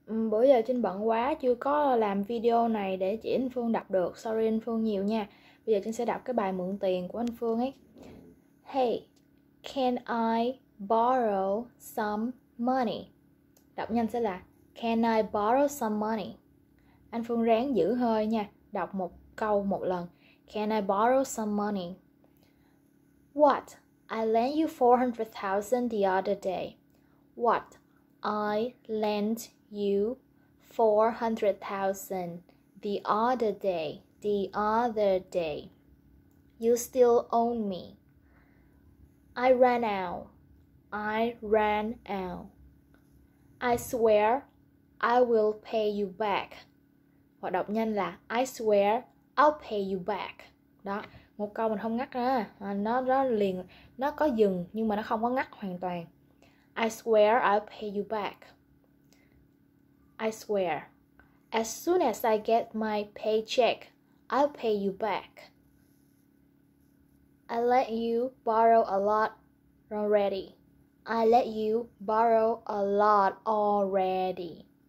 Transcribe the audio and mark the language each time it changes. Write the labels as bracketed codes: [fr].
[vi] Bữa giờ Trinh bận quá, chưa có làm video này để chỉ anh Phương đọc được. Sorry anh Phương nhiều nha. Bây giờ Trinh sẽ đọc cái bài mượn tiền của anh Phương ấy. [en] Hey, can I borrow some money? [vi] Đọc nhanh sẽ là [en] can I borrow some money? [vi] Anh Phương ráng giữ hơi nha. Đọc một câu một lần. [en] Can I borrow some money? What? I lent you 400,000 the other day. What? I lent you 400,000 the other day. The other day. You still own me. I ran out. I ran out. I swear I will pay you back. [vi] Hoặc đọc nhanh là [en] I swear I'll pay you back. [vi] Đó, một câu mình không ngắt ra. Nó liền, nó có dừng nhưng mà nó không có ngắt hoàn toàn. [en] I swear I'll pay you back. I swear. As soon as I get my paycheck, I'll pay you back. I let you borrow a lot already. I let you borrow a lot already.